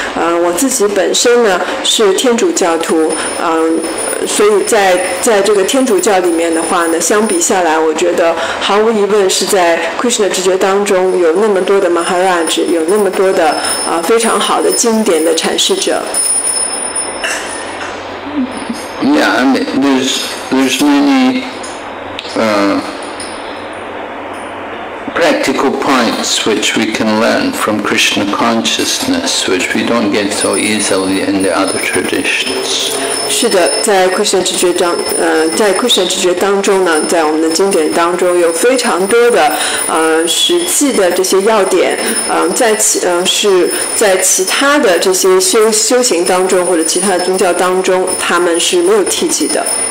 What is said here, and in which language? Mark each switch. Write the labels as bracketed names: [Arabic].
[Chinese] 我自己本身呢是天主教徒，所以在这个天主教里面的话呢，相比下来，我觉得毫无疑问是在 Krishna 知识当中有那么多的 Maharaj， 有那么多的非常好的经典的阐释者。 [English] Yeah, I mean, there's many practical points which we can learn from Krishna consciousness, which we don't get so easily in the other traditions. [Chinese] 是的，在 Krishna 知觉当，在 Krishna 知觉当中呢，在我们的经典当中有非常多的实际的这些要点，是在其他的这些修行当中或者其他的宗教当中，他们是没有提及的。